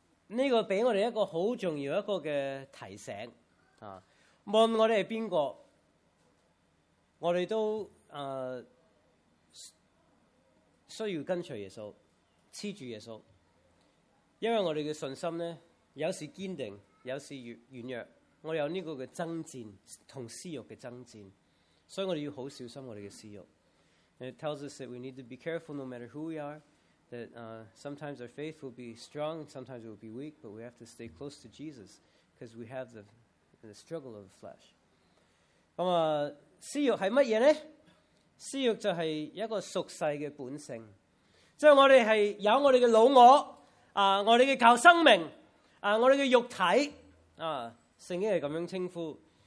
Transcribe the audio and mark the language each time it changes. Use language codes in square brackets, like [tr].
[zh] 这个给我们一个很重要的一个提醒，无论我们是谁，我们都需要跟随耶稣，黏住耶稣，因为我们的信心呢，有时坚定，有时软弱。我有这个的争战和私欲的争战，所以我们要很小心我们的私欲。 [en] It tells us that we need to be careful no matter who we are, that sometimes our faith will be strong, sometimes it will be weak, but we have to stay close to Jesus because we have the struggle of the flesh. [zh] 私欲是什么呢？私欲就是一个属世的本性，就是我们是有我们的老我，我们的旧生命，我们的肉体，圣经是这样称呼。